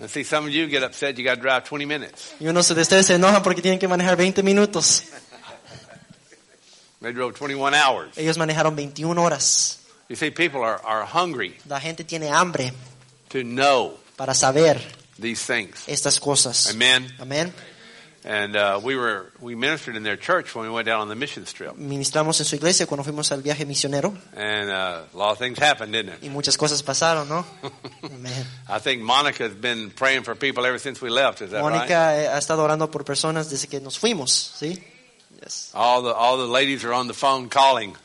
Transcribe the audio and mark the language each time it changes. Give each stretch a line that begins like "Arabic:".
English: And see, some of you get upset you got to drive 20 minutes.
Spanish: Y unos de ustedes se enojan porque tienen que manejar 20 minutos.
English: They drove 21 hours.
Spanish: Ellos manejaron 21 horas.
English: You see, people are hungry.
Spanish: La gente tiene hambre.
English: To know.
Spanish: Para saber.
English: These things.
Spanish: Estas cosas.
English: Amen.
Spanish: Amen.
English: And we ministered in their church when we went down on the mission trip.
Spanish: Ministramos en su iglesia cuando fuimos al viaje misionero.
English: And a lot of things happened, didn't it?
Spanish: Y muchas cosas pasaron, ¿no? Amen.
English: I think Monica has been praying for people ever since we left. Is that Monica right?
Spanish: Monica ha estado orando por personas desde que nos fuimos, ¿sí?
English: Yes. All the ladies are on the phone calling.